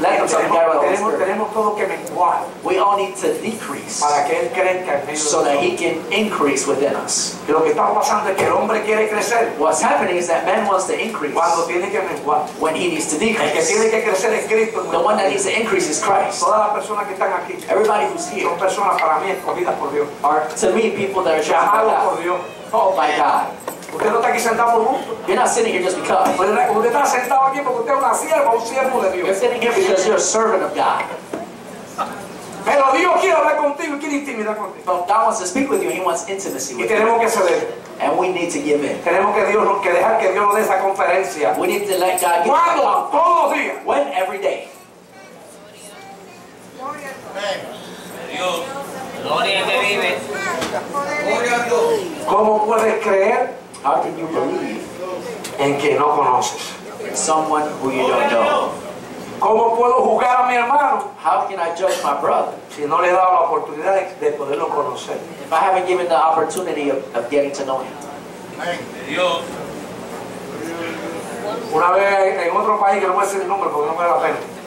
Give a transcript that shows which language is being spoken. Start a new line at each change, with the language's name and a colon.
English: Let them be guided by the Holy Spirit. We all need to decrease
Spanish: para que él crezca en medio
English: so that he can increase within us.
Spanish: Lo que está pasando es que el hombre quiere crecer.
English: What's happening is that man wants to increase
Spanish: cuando tiene que menguar.
English: When he needs to decrease.
Spanish: El que tiene que crecer es Cristo.
English: The one that needs to increase is Christ.
Spanish: Todas las personas que están aquí,
English: everybody who's here,
Spanish: son personas para mí, escogidas por Dios.
English: Are to me people that are chosen
Spanish: Llamado
English: by God.
Spanish: Por Dios.
English: Oh my God.
Spanish: Usted no está aquí sentado por gusto.
English: You're not sitting here just because.
Spanish: Usted está sentado aquí porque usted es una sierva, un siervo de Dios.
English: You're sitting here because you're a servant of God.
Spanish: Pero Dios quiere hablar contigo y quiere intimidad contigo.
English: But God wants to speak with you. He wants intimacy with you.
Spanish: Y tenemos que ceder.
English: And we need to give in.
Spanish: Tenemos que Dios que dejar que Dios nos dé esa conferencia.
English: We need to let God give.
Spanish: ¿Cuándo? Todos los días.
English: When? Every day.
Spanish: Gloria a Dios. Gloria que vive. Gloria a Dios. ¿Cómo puedes creer?
English: How can you believe
Spanish: en que no conoces?
English: Someone who you don't know.
Spanish: ¿Cómo puedo juzgar a mi hermano?
English: How can I judge my brother?
Spanish: Si no le he dado la oportunidad de poderlo conocer.
English: If I haven't given the opportunity of getting to know him.
Spanish: Una vez en otro país, que no voy a decir el nombre porque no vale la pena.